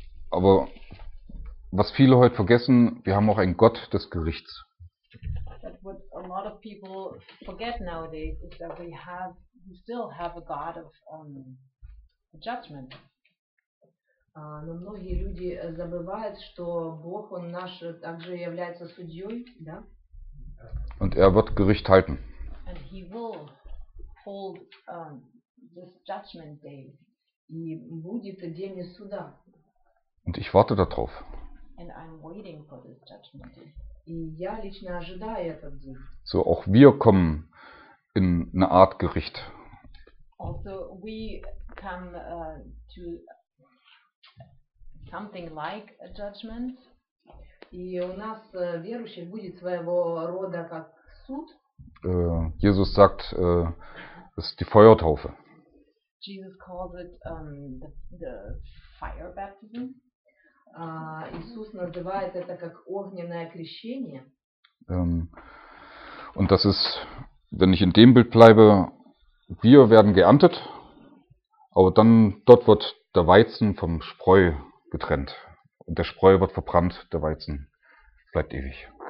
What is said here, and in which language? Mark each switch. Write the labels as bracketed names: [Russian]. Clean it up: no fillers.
[German] Aber was viele heute vergessen, wir haben auch einen Gott des Gerichts. [English] But what a lot of people forget nowadays is that we still have a God of judgment. [Russian] Но многие люди забывают, что Бог, Он наш, также является судьей, да? [German] Und wird Gericht halten. [English] And He will hold this judgment day. [Russian] И будет день суда. [German] Und ich warte darauf. [English] And I'm waiting for this judgment day. [Russian] И я лично ожидаю этот день. [German] So auch wir kommen in eine Art Gericht. [English] Also we come to something like a judgment. [Russian] И у нас верующих будет своего рода как суд. [German] Jesus sagt, es ist die Feuertaufe. [English] Jesus calls it the fire baptism. [Russian] Иисус называет это как огненное крещение. [German] Und das ist, wenn ich in dem Bild bleibe, wir werden geerntet, aber dann dort wird der Weizen vom Spreu getrennt. Und der Spreu wird verbrannt, der Weizen bleibt ewig.